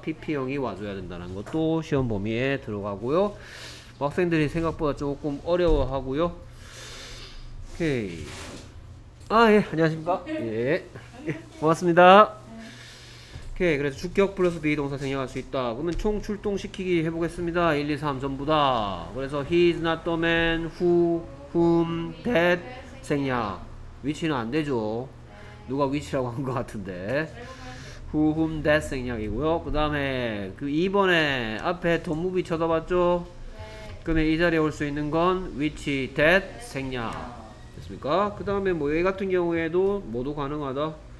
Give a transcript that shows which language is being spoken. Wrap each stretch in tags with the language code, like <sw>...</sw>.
<ko>PP형이 와줘야 된다는 것도 시험 범위에 들어가고요. 학생들이 생각보다 조금 어려워하고요. 오케이. 아, 예. 안녕하십니까? 예. 고맙습니다. 오케이. 그래서 주격 플러스 be 동사 생략할 수 있다. 그러면 총 출동시키기 해보겠습니다. 1, 2, 3 전부 다. 그래서</ko> <en>he is not the man, who, whom, that</en> <ko>생략. 위치는 안 되죠. 누가 위치라고 한 것 같은데. Who, whom, that 생략이고요. 그 다음에 그 2번에 앞에 돈무비 쳐다봤죠? 네. 그러면 이 자리에 올 수 있는 건 which, that 생략. 됐습니까? 그 다음에 뭐 여기 같은 경우에도 뭐도 가능하다?</ko>